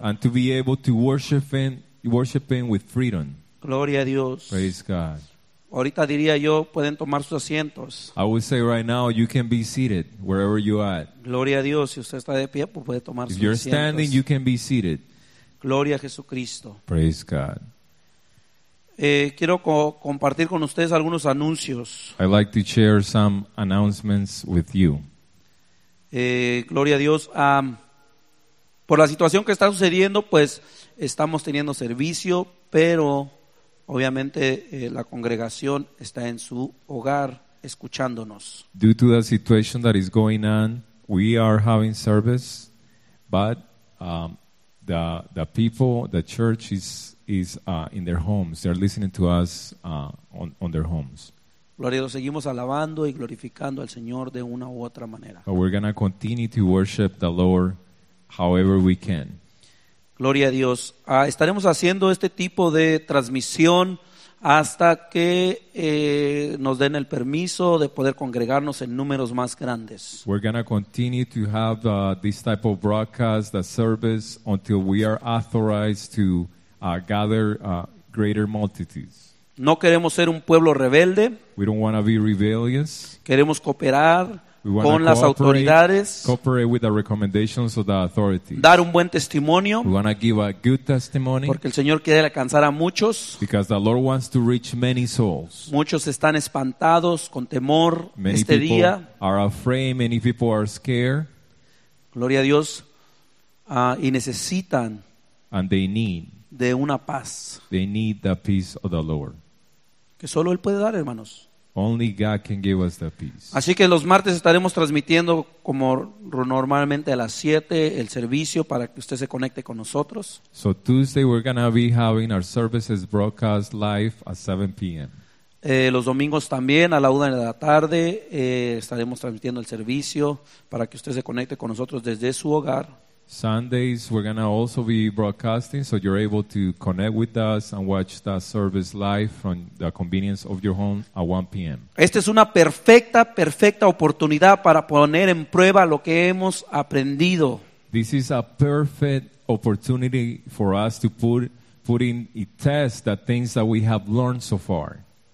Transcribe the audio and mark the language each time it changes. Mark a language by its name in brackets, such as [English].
[English] and to be able to worship him with freedom. [Spanish] Gloria a Dios. [English] Praise God. [Spanish] Ahorita diría yo, pueden tomar sus asientos. [English] I would say right now you can be seated wherever you are. [Spanish] Gloria a Dios, si usted está de pie, pues puede tomar sus asientos. [English] If you're standing, you can be seated. [Spanish] Gloria a Jesucristo. [English] Praise God. [Spanish] Quiero compartir con ustedes algunos anuncios. [English] I'd like to share some announcements with you. [Spanish] Gloria a Dios. Por la situación que está sucediendo, pues estamos teniendo servicio, pero obviamente la congregación está en su hogar escuchándonos. [English] Due to the situation that is going on, we are having service, but the people, the church is in their homes. They're listening to us on their homes. [Spanish] Gloria a Dios, seguimos alabando y glorificando al Señor de una u otra manera. [English] But we're gonna continue to worship the Lord however we can. [Spanish] Gloria a Dios. Estaremos haciendo este tipo de transmisión hasta que nos den el permiso de poder congregarnos en números más grandes. [English] We're going to continue to have this type of broadcast, the service, until we are authorized to gather greater multitudes. [Spanish] No queremos ser un pueblo rebelde. [English] We don't want to be rebellious. [Spanish] Queremos cooperar. [English] We want [Spanish] con to las autoridades, [English] cooperate with the recommendations of the authorities. [Spanish] Dar un buen testimonio, [English] we want to give a good testimony, [Spanish] porque el Señor quiere alcanzar a muchos, [English] because the Lord wants to reach many souls. [Spanish] Muchos están espantados con temor [English] many [Spanish] este día. [English] Are afraid, many people are scared. [Spanish] Gloria a Dios, y necesitan, [English] and they need, [Spanish] de una paz. [English] They need the peace of the Lord, [Spanish] que solo Él puede dar, hermanos. [English] Only God can give us that peace. [Spanish] Así que los martes estaremos transmitiendo como normalmente a las 7 el servicio para que usted se conecte con nosotros. [English] So Tuesday we're going to be having our services broadcast live at 7 p.m. [Spanish] Los domingos también a la 1 de la tarde estaremos transmitiendo el servicio para que usted se conecte con nosotros desde su hogar. [English] Sundays we're going to also be broadcasting so you're able to connect with us and watch the service live from the convenience of your home at 1 p.m. [Spanish] Esta es una perfecta oportunidad para poner en prueba lo que hemos aprendido. [English] This is a perfect opportunity for us to put in a test the things that we have learned so far.